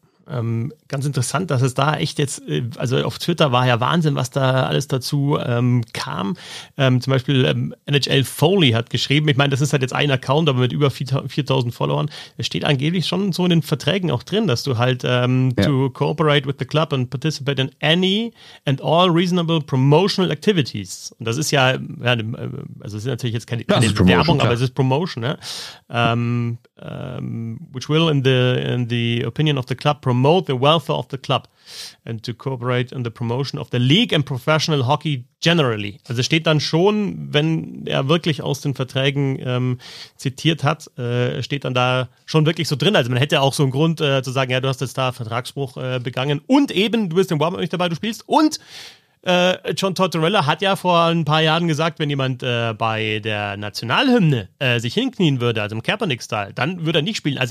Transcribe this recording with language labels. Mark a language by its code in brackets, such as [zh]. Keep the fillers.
[de] Ähm, ganz interessant, dass es da echt jetzt, äh, also auf Twitter war ja Wahnsinn, was da alles dazu ähm, kam. Ähm, zum Beispiel ähm, NHL Foley hat geschrieben, ich meine, das ist halt jetzt ein Account, aber mit über 4.000 4000 Followern. Es steht angeblich schon so in den Verträgen auch drin, dass du halt ähm, Ja. [en] to cooperate with the club and participate in any and all reasonable promotional activities. [de] Und das ist ja, ja dem, äh, also es ist natürlich jetzt keine, Das keine ist Promotion, Werbung, klar. aber es ist Promotion, ne? [en] Ähm, ähm, which will, in the, in the opinion of the club, promote the welfare of the club and to cooperate in the promotion of the league and professional hockey generally. [de] Also steht dann schon, wenn er wirklich aus den Verträgen ähm, zitiert hat, äh, steht dann da schon wirklich so drin. Also man hätte auch so einen Grund äh, zu sagen, ja, du hast jetzt da Vertragsbruch äh, begangen und eben, du bist im Warm-Up nicht dabei, du spielst und äh, John Tortorella hat ja vor ein paar Jahren gesagt, wenn jemand äh, bei der Nationalhymne äh, sich hinknien würde, also im Kaepernick-Style, dann würde er nicht spielen.